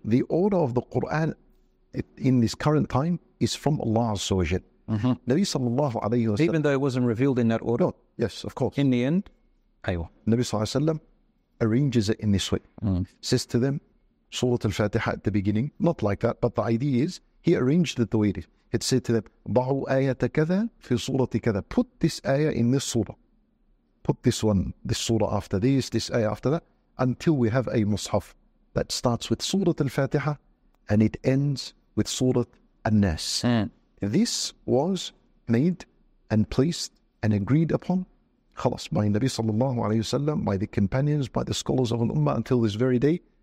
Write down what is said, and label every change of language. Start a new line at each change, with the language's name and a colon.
English: The order of the Quran in this current time is from Allah azza wa jal. Nabi sallallahu alayhi wa sallam, even though it wasn't revealed in that order. No. Yes, of course. In the end, aywa. Nabi sallallahu alayhi wa sallam arranges it in this way. Says to them, Surah Al-Fatiha at the beginning, not like that, but the idea is, he arranged it the way it is. He said to them,
Arabic: ضعوا آية كذا في صورة كذا.
English: Put this ayah in this surah. Put this one, this surah after this, this ayah after that, until we have a mushaf that starts with Surah Al-Fatiha and it ends with Surah An-Nas. This was made and placed and agreed upon, khalas, by Nabi sallallahu alayhi wa sallam, by the companions, by the scholars of an ummah until this very day.